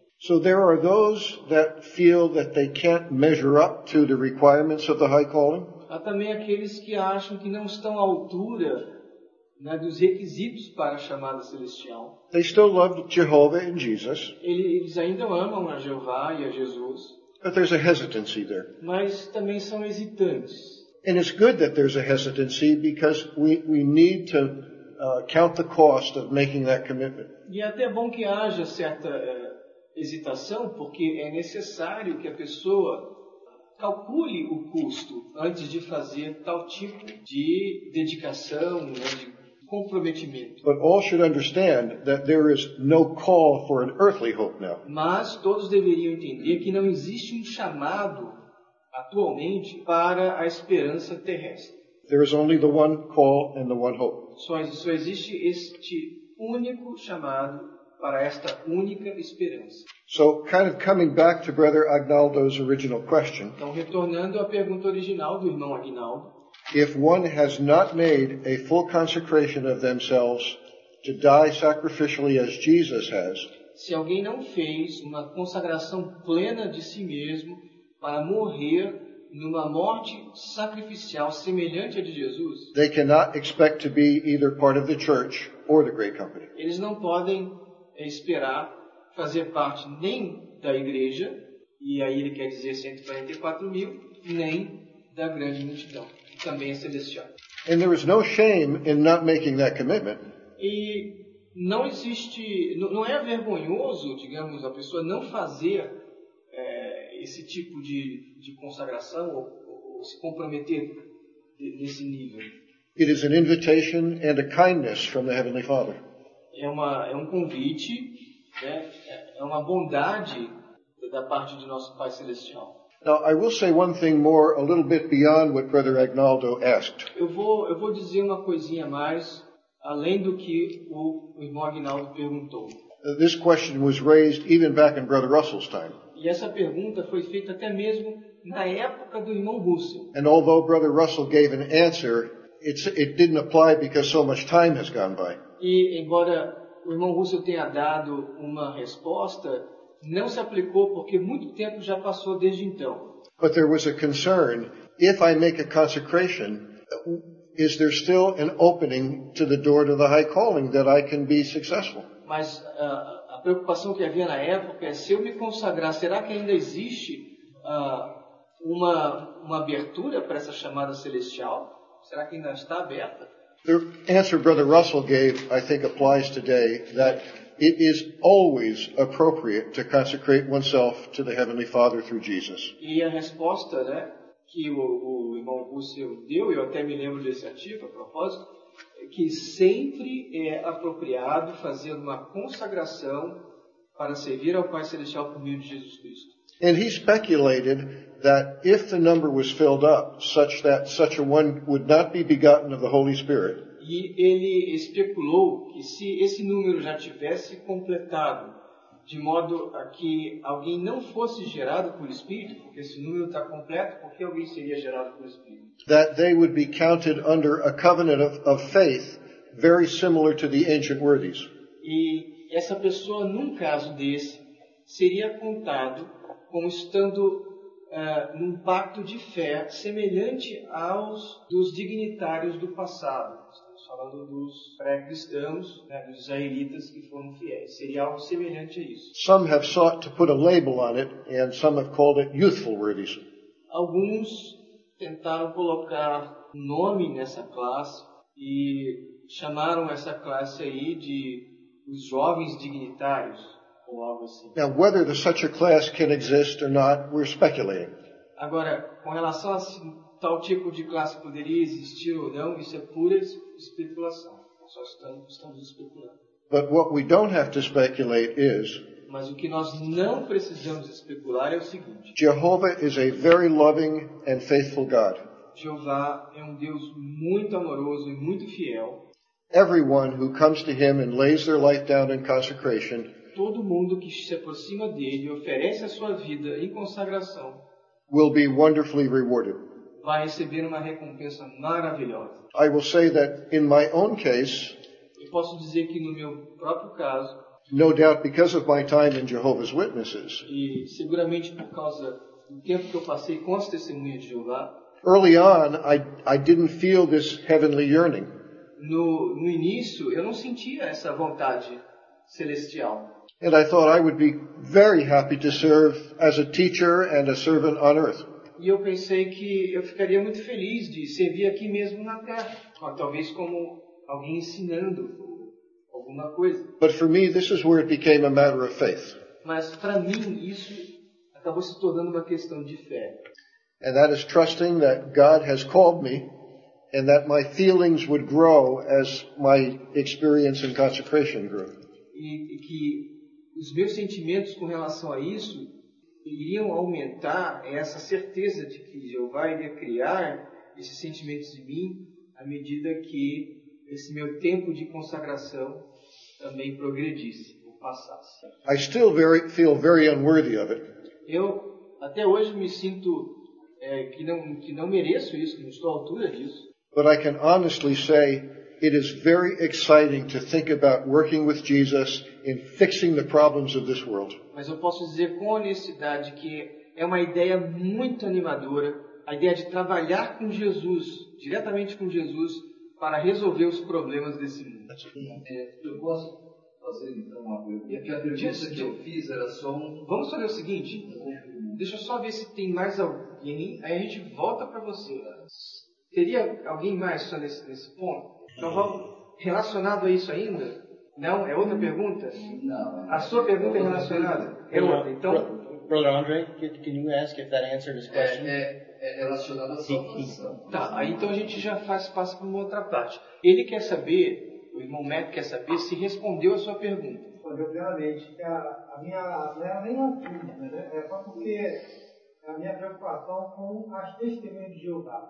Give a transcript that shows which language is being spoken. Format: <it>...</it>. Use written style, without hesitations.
<en>So there are those that feel that they can't measure up to the requirements of the high calling.</en> <pt>Há também aqueles que acham que não estão à altura, né, dos requisitos para a chamada celestial.</pt> <en>They still love Jehovah and Jesus.</en> <pt>Eles ainda amam a Jeová e a Jesus.</pt> <en>But there's a hesitancy there.</en> <pt>Mas também são hesitantes.</pt> <en>And it's good that there's a hesitancy because we need to count the cost of making that commitment.</en> <pt>E até é bom que haja certa hesitação, porque é necessário que a pessoa calcule o custo antes de fazer tal tipo de dedicação, né, de comprometimento.</pt> <en>But all should understand that there is no call for an earthly hope now.</en> <pt>Mas todos deveriam entender que não existe chamado atualmente para a esperança terrestre.</pt> <en>There is only the one call and the one hope.</en> <pt>Só existe este único chamado para esta única esperança.</pt> <en>So, kind of coming back to Brother Agnaldo's original question.</en> <pt>Então, retornando à pergunta original do irmão Agnaldo.</pt> <en>If one has not made a full consecration of themselves to die sacrificially as Jesus has,</en> <pt>se alguém não fez uma consagração plena de si mesmo para morrer numa morte sacrificial semelhante à de Jesus,</pt> <en>they cannot expect to be either part of the church or the great company.</en> <pt>Eles não podem esperar fazer parte nem da igreja, e aí ele quer dizer 144 mil, nem da grande multidão, que também é celestial.</pt> <en>And there is no shame in not making that commitment.</en> <pt>E não existe, não é vergonhoso, digamos, a pessoa não fazer esse tipo de consagração ou se comprometer nesse nível.</pt> <en>It is an invitation and a kindness from the Heavenly Father.</en> <pt>É um convite, né? É uma bondade da parte de nosso Pai Celestial.</pt> <en>Now, I will say one thing more, a little bit beyond what Brother Agnaldo asked.</en> <pt>Eu vou dizer uma coisinha mais, além do que o irmão Agnaldo perguntou.</pt> <en>This question was raised even back in Brother Russell's time.</en> <pt>E essa pergunta foi feita até mesmo na época do irmão Russell.</pt> <en>And although Brother Russell gave an answer, it didn't apply because so much time has gone by.</en> <pt>E embora o irmão Russell tenha dado uma resposta, não se aplicou porque muito tempo já passou desde então.</pt> <en>But there was a concern, if I make a consecration, is there still an opening to the door to the high calling that I can be successful?</en> <pt>Mas a preocupação que havia na época é, se eu me consagrar, será que ainda existe uma abertura para essa chamada celestial? Será que ainda está aberta?</pt> <en>The answer Brother Russell gave, I think, applies today, that it is always appropriate to consecrate oneself to the Heavenly Father through Jesus.</en> <pt>E a resposta, né, que o irmão Russell deu, eu até me lembro desse artigo a propósito, que sempre é apropriado fazer uma consagração para servir ao Pai Celestial por meio de Jesus Cristo.</pt> <en>And he speculated that if the number was filled up, such that such a one would not be begotten of the Holy Spirit.</en> <pt>E ele especulou que se esse número já tivesse completado, de modo a que alguém não fosse gerado pelo Espírito, porque esse número está completo, porque alguém seria gerado pelo Espírito?</pt> <en>That they would be counted under a covenant of faith, very similar to the ancient worthies.</en> <pt>E essa pessoa, num caso desse, seria contado como estando num pacto de fé semelhante aos dos dignitários do passado. Falando dos pré-cristãos, né, dos israelitas que foram fiéis. Seria algo semelhante a isso.</pt> <en>Some have sought to put a label on it, and some have called it youthful worthies.</en> <pt>Alguns tentaram colocar nome nessa classe e chamaram essa classe aí de os jovens dignitários, ou algo assim.</pt> <en>Now, whether such a class can exist or not, we're speculating.</en> <pt>Agora, com relação a se tal tipo de classe poderia existir ou não, isso é pura especulação. Só estamos especulando.</pt> <en>But what we don't have to speculate is,</en> <pt>mas o que nós não precisamos especular é o seguinte.</pt> <en>Jehovah is a very loving and faithful God.</en> <pt>Jeová é um Deus muito amoroso e muito fiel.</pt> <en>Everyone who comes to him and lays their life down in consecration,</en> <pt>todo mundo que se aproxima dele e oferece a sua vida em consagração,</pt> <en>will be wonderfully rewarded.</en> <pt>Vai receber uma recompensa maravilhosa.</pt> <en>I will say that in my own case,</en> <pt>eu posso dizer que no meu próprio caso,</pt> <en>no doubt because of my time in Jehovah's Witnesses,</en> <pt>e seguramente por causa do tempo que eu passei com as testemunhas de Jeová,</pt> <en>early on, I didn't feel this heavenly yearning.</en> <pt>No início, eu não sentia essa vontade celestial.</pt> <en>And I thought I would be very happy to serve as a teacher and a servant on earth.</en> <pt>E eu pensei que eu ficaria muito feliz de servir aqui mesmo na Terra, talvez como alguém ensinando alguma coisa.</pt> <en>But for me, this is where it became a matter of faith.</en> <pt>Mas para mim isso acabou se tornando uma questão de fé.</pt> <en>And that is trusting that God has called me and that my feelings would grow as my experience in consecration grew.</en> <pt>E que os meus sentimentos com relação a isso iriam aumentar essa certeza de que Jeová iria criar esses sentimentos em mim à medida que esse meu tempo de consagração também progredisse ou passasse.</pt> <en>I still feel very unworthy of it.</en> <pt>Eu até hoje me sinto que não mereço isso, não estou à altura disso.</pt> <en>But I can honestly say it is very exciting to think about working with Jesus in fixing the problems of this world.</en> <pt>Mas eu posso dizer com honestidade que é uma ideia muito animadora, a ideia de trabalhar com Jesus, diretamente com Jesus, para resolver os problemas desse mundo. Eu posso fazer então uma pergunta? Porque a pergunta disso que eu fiz era só um... Vamos fazer o seguinte, deixa eu só ver se tem mais alguém, aí a gente volta para você. Teria alguém mais só nesse ponto? Então vamos, relacionado a isso ainda? Não? É outra pergunta? Não. A sua pergunta é relacionada? É outra, então...</pt> <en>Brother Andre, can you ask if that answered his question?</en> <pt>É relacionado à sua posição. Tá, então a gente já passa para uma outra parte. Ele quer saber, o irmão Matt quer saber se respondeu a sua pergunta. Obviamente, que a minha não era nem uma dúvida, né? É só porque a minha preocupação com as testemunhas de Jeová.</pt>